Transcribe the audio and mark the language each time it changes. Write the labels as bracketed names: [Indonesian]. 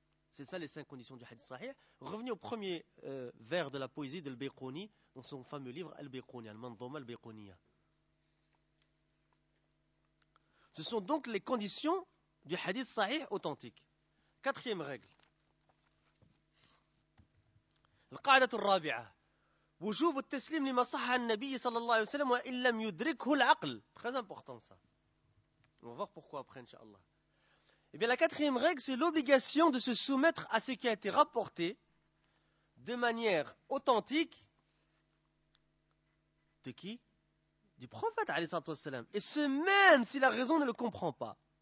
[French] C'est ça les cinq conditions du hadith sahih. Revenez au premier vers de la poésie de Al-Bayquni dans son fameux livre Al-Bayquni, Al-Mandhuma Al-Bayquniya. Ce sont donc les conditions du hadith sahih authentique. Quatrième règle. [Arabic] القاعدة الرابعة وجوب التسليم لما صح عن النبي صلى الله عليه وسلم وإن لم يدركه العقل. [French] Très important ça. On va voir pourquoi après, inshallah. Et bien, la quatrième règle, c'est l'obligation de se soumettre à ce qui a été rapporté de manière authentique. De qui? Du prophète, alayhi salatu wassalam. Et ce même si la raison ne le comprend pas.